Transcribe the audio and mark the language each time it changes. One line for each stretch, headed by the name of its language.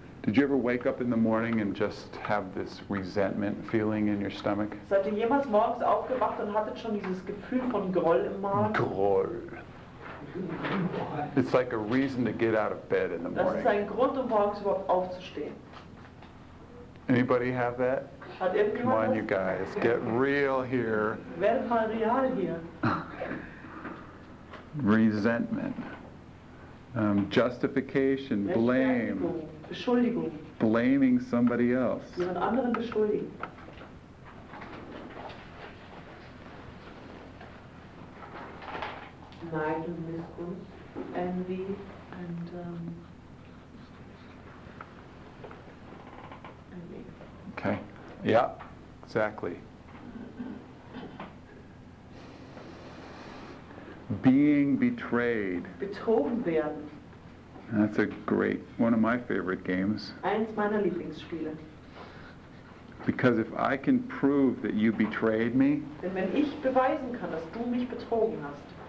English: Did you ever wake up in the morning and just have this resentment feeling in your stomach?
German: Seid ihr jemals morgens aufgewacht und hattet schon dieses Gefühl von Groll im Magen? Groll.
English: It's like a reason to get out of bed in the morning.
German: Das ist ein Grund, um morgens überhaupt aufzustehen.
English: Anybody have that?
German: Hat irgendjemand
English: Come on, you guys, get real here.
German: Werd mal real hier.
English: Resentment. Justification, blame.
German: Beschuldigung.
English: Blaming somebody else.
German: Jemand anderen beschuldigen. Neid und Missgunst.
English: Envy and envy. Okay. Yeah, exactly. Being betrayed.
German: Betrogen werden.
English: That's a great, one of my favorite games.
German: Eins meiner Lieblingsspiele.
English: Because if I can prove that you betrayed me,
German: denn wenn ich beweisen kann, dass du mich betrogen hast,